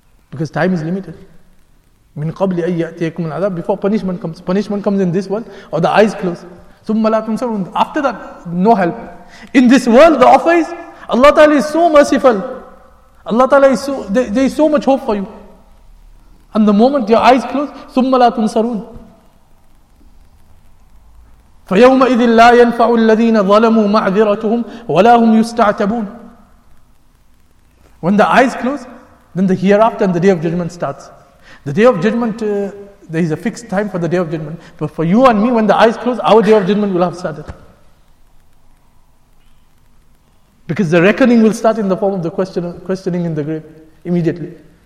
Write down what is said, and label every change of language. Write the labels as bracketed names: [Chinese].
[English] Because time is limited. [Arabic] مِنْ قَبْلِ أَيْ يَأْتِيَكُمُ الْعَذَابُ. [English] Before punishment comes. Punishment comes in this world, or the eyes close. [Arabic] ثُمَّ لَا تُنْصَرُونَ. [English] After that, no help. In this world, the offer is, Allah Ta'ala is so merciful. Allah Ta'ala is so, there is so much hope for you. And the moment your eyes close, [Arabic] ثُمَّ لَا تُنْصَرُونَ فَيَوْمَئِذٍ لَا يَنْفَعُ الَّذِينَ ظَلَمُوا مَعْذِرَتُهُمْ وَلَا هُمْ يُسْتَعْتَبُونَ. [English] When the eyes close, then the hereafter and the day of judgment starts. The day of judgment, there is a fixed time for the day of judgment. But for you and me, when the eyes close, our day of judgment will have started. Because the reckoning will start in the form of the questioning in the grave immediately.